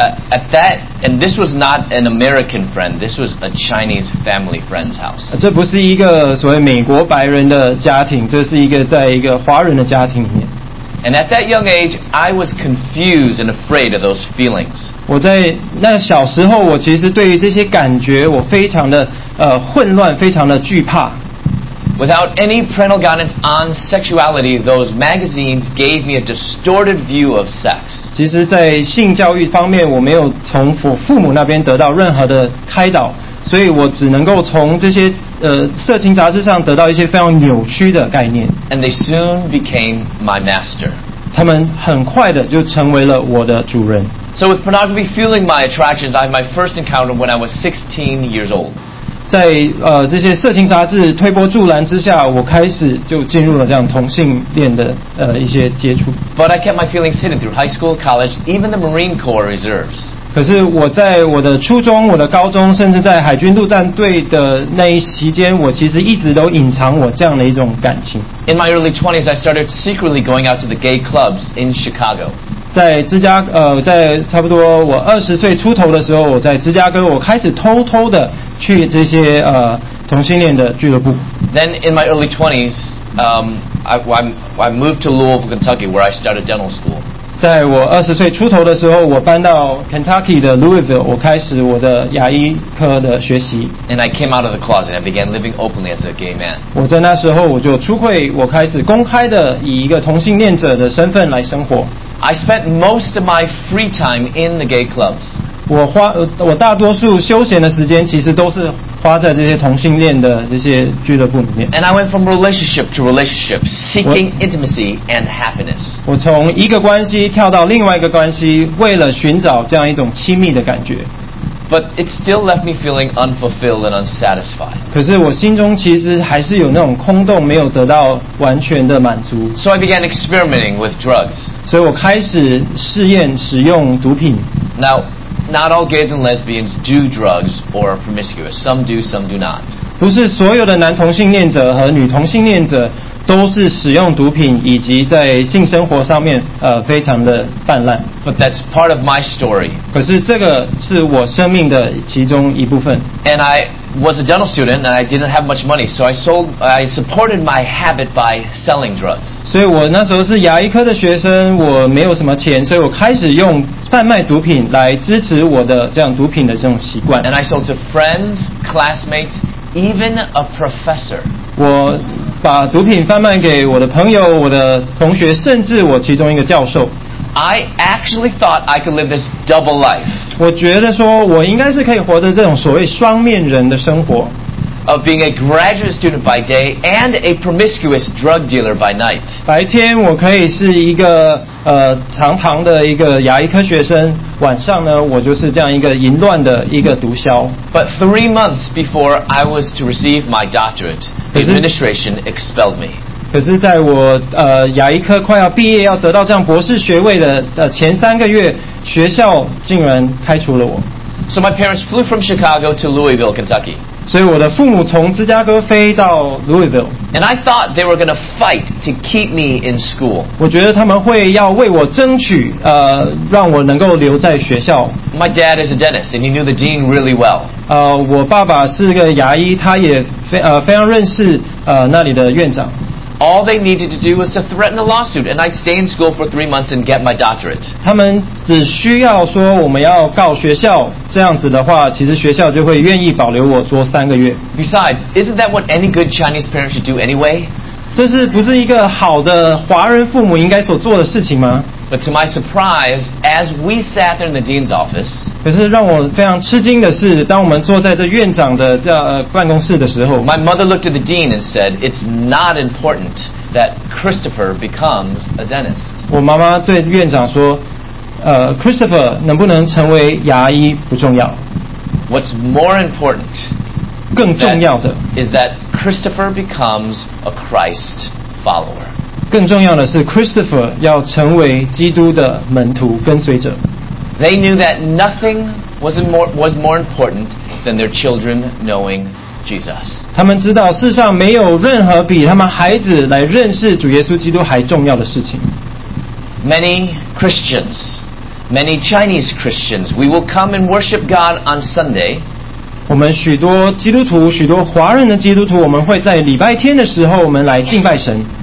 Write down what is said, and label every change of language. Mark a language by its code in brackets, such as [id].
[en] At that, and this was not an American friend. This was a Chinese family friend's house. [zh] 这不是一个所谓美国白人的家庭，这是一个在一个华人的家庭里面。 [en] And at that young age, I was confused and afraid of those feelings. [zh] 我在那小时候，我其实对于这些感觉，我非常的混乱，非常的惧怕。 [en] Without any parental guidance on sexuality, those magazines gave me a distorted view of sex. [zh] 其实在性教育方面，我没有从我父母那边得到任何的开导，所以我只能够从这些色情杂志上得到一些非常扭曲的概念。 [en] And they soon became my master. [zh] 他们很快的就成为了我的主人。 [en] So with pornography fueling my attractions, I had my first encounter when I was 16 years old. [zh] 在这些色情杂志推波助澜之下，我开始就进入了这样同性恋的一些接触。 [en] But I kept my feelings hidden through high school, college, even the Marine Corps reserves. [zh] 可是我在我的初中、我的高中，甚至在海军陆战队的那一期间，我其实一直都隐藏我这样的一种感情。 [en] In my early 20s, I started secretly going out to the gay clubs in Chicago. [zh] 在差不多我二十岁出头的时候，我在芝加哥，我开始偷偷的去这些同性恋的俱乐部。 [en] Then in my early 20s, I moved to Louisville, Kentucky, where I started dental school. [zh] 在我二十岁出头的时候，我搬到 Kentucky 的 Louisville, 我开始我的牙医科的学习。 [en] And I came out of the closet and began living openly as a gay man. [zh] 我在那时候我就出柜，我开始公开的以一个同性恋者的身份来生活。 [en] I spent most of my free time in the gay clubs. [zh] 我大多数休闲的时间其实都是花在这些同性恋的这些俱乐部里面。 [en] And I went from relationship to relationship, seeking intimacy and happiness. [zh] 我从一个关系跳到另外一个关系，为了寻找这样一种亲密的感觉。 [en] But it still left me feeling unfulfilled and unsatisfied. [zh] 可是我心中其实还是有那种空洞，没有得到完全的满足。 [en] So I began experimenting with drugs. [zh] 所以我开始试验使用毒品。 [en] Now, not all gays and lesbians do drugs or are promiscuous. Some do, some do not. [zh] 不是所有的男同性恋者和女同性恋者都是使用毒品以及在性生活上面非常的泛滥。 [en] But that's part of my story. [zh] 可是这个是我生命的其中一部分。 [en] And I was a dental student and I didn't have much money, so I supported my habit by selling drugs. [zh] 所以我那时候是牙医科的学生，我没有什么钱，所以我开始用贩卖毒品来支持我的这样毒品的这种习惯。 [en] And I sold to friends, classmates, even a professor. [zh] 我把毒品贩卖给我的朋友、我的同学，甚至我其中一个教授。 [en] I actually thought I could live this double life. [zh] 我觉得说我应该是可以活着这种所谓双面人的生活。 [en] Of being a graduate student by day and a promiscuous drug dealer by night. [zh] 白天我可以是一个堂堂的一个牙医科学生，晚上呢我就是这样一个淫乱的一个毒枭。 [en] But 3 months before I was to receive my doctorate, the administration expelled me. [zh] 可是在我牙医科快要毕业要得到这样博士学位的前3个月，学校竟然开除了我。 [en] So my parents flew from Chicago to Louisville, Kentucky. [zh] 所以我的父母从芝加哥飞到 Louisville. [en] And I thought they were going to fight to keep me in school. [zh] 我觉得他们会要为我争取让我能够留在学校。 [en] My dad is a dentist and he knew the dean really well. [zh] 我爸爸是个牙医，他也非常认识那里的院长。 [en] All they needed to do was to threaten a lawsuit, and I'd stay in school for 3 months and get my doctorate. [zh] 他们只需要说我们要告学校，这样子的话，其实学校就会愿意保留我做3个月。 [en] Besides, isn't that what any good Chinese parent should do anyway? [zh] 这是不是一个好的华人父母应该所做的事情吗？ [en] But to my surprise, as we sat there in the dean's office, [zh] 可是让我非常吃惊的是，当我们坐在这院长的办公室的时候， [en] my mother looked at the dean and said, "It's not important that Christopher becomes a dentist." [zh] 我妈妈对院长说，Christopher 能不能成为牙医不重要。 [en] What's more important? [zh] 更重要的 [en] is that Christopher becomes a Christ follower. [zh] 更重要的是 Christopher 要成为基督的门徒跟随者。 [en] They knew that nothing was more important than their children knowing Jesus. [zh] 他们知道世上没有任何比他们孩子来认识主耶稣基督还重要的事情。 [en] Many Chinese Christians, we will come and worship God on Sunday. [zh] 我们许多基督徒，许多华人的基督徒，我们会在礼拜天的时候，我们来敬拜神。